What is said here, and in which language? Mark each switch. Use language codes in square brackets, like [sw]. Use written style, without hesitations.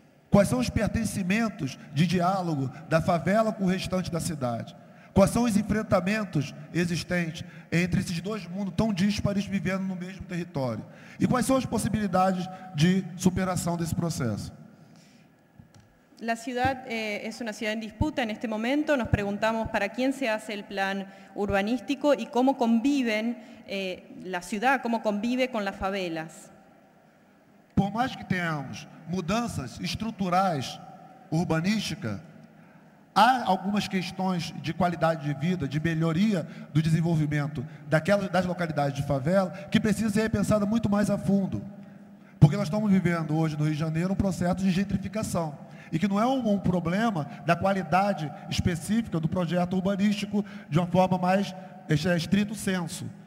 [pt] Quais são os pertencimentos de diálogo da favela com o restante da cidade? Quais são os enfrentamentos existentes entre esses dois mundos tão díspares vivendo no mesmo território? E quais são as possibilidades de superação desse processo? [es] La ciudad es una ciudad en disputa en este momento. Nos preguntamos para quién se hace el plan urbanístico y cómo conviven la ciudad, cómo convive con las favelas. Por más que tengamos [pt] mudanças estruturais urbanísticas, há algumas questões de qualidade de vida, de melhoria do desenvolvimento das localidades de favela, que precisa ser repensada muito mais a fundo. Porque nós estamos vivendo hoje no Rio de Janeiro um processo de gentrificação, e que não é um problema da qualidade específica do projeto urbanístico de uma forma mais estrito senso.